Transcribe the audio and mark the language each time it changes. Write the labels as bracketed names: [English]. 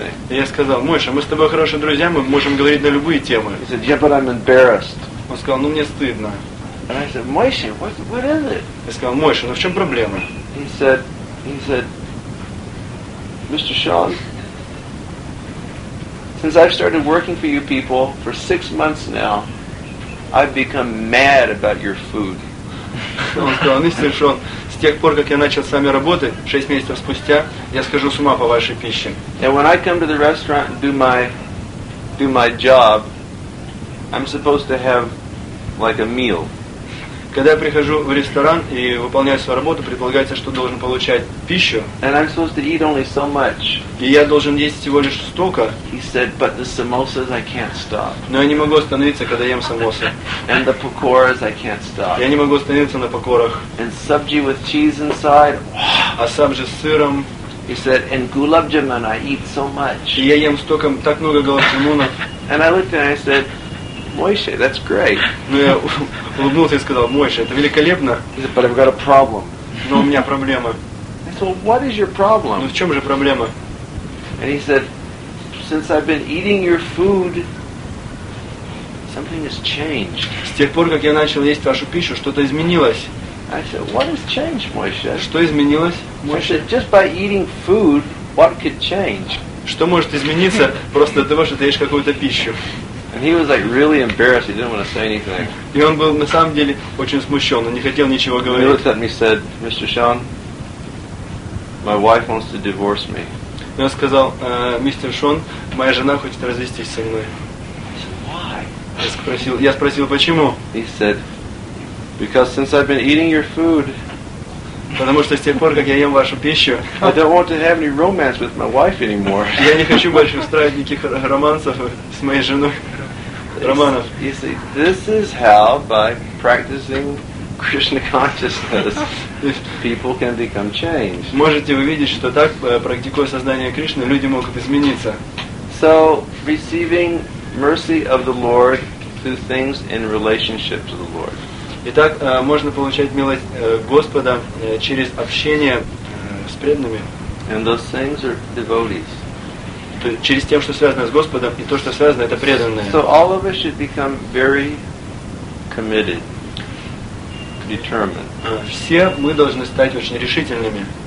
[Russian] Я сказал, Мойше, мы с тобой хорошие друзья, мы можем говорить на любые темы. [English] He said, yeah, but I'm embarrassed. [Russian] Он сказал, ну мне стыдно. [English] And I said, Moshe, what is it? [Russian] Я сказал, Мойше, ну в чем проблема? [English] He said, Mr. Sean, since I've started working for you people for 6 months now, I've become mad about your food. [Russian] Он сказал, мистер Шон, с тех пор, как я начал с вами работать, 6 месяцев спустя, я схожу с ума по вашей пище. [English] And when I come to the restaurant and do my job, I'm supposed to have like a meal. [Russian] Когда я прихожу в ресторан и выполняю свою работу, предполагается, что должен получать пищу. [English] And I'm supposed to eat only so much. [Russian] И я должен есть всего лишь столько. [English] He said, but the samosas I can't stop. [Russian] Но я не могу остановиться, когда ем самосы. [English] And the pakoras I can't stop. [Russian] Я не могу остановиться на пакорах. [English] And sabji with cheese inside. [Russian] А сабжи с сыром. [English] He said, and gulab jamun I eat so much. [Russian] И я ем столько, так много гулаб джамуна. [English] And I looked and I said, Moshe, that's great. [Russian] Ну я улыбнулся и сказал, Мойша, это великолепно. [English] He said, but I've got a problem. [Russian] Но у меня проблема. [English] I said, well, what is your problem? [Russian] Ну в чем же проблема? [English] And he said, since I've been eating your food, something has changed. [Russian] С тех пор, как я начал есть вашу пищу, что-то изменилось. [English] I said, what has changed, Moshe? [Russian] Что изменилось, Мойша? [English] I said, just by eating food, what could change? [Russian] Что может измениться просто от того, что ты ешь какую-то пищу? [English] And he was like really embarrassed. He didn't want to say anything. [Russian] И он был на самом деле очень смущен. Он не хотел ничего говорить. [English] He looked at me and said, "Mr. Sean, my wife wants to divorce me." [Russian] И он сказал, мистер Шон, моя жена хочет развестись со мной. [English] I said, "Why?" [Russian] Я спросил, почему? [English] He said, "Because since I've been eating your food." [Russian] Потому что с тех пор, как я ем вашу пищу, [English] I don't want to have any romance with my wife anymore. [Russian] Я не хочу больше устраивать никаких романсов с моей женой. Романов. [English] You see, this is how by practicing Krishna consciousness, people can become changed. [Russian] Можете вы видеть, что так, практикуя сознание Кришны, люди могут измениться. [English] So, receiving mercy of the Lord through things in relationship to the Lord. [Russian] Итак, можно получать милость Господа через общение с преданными. [English] And those things are devotees. [Russian] Через тем, что связано с Господом, и то, что связано, это преданное. [English] So all of us should become very committed, determined. [Russian] Все мы должны стать очень решительными.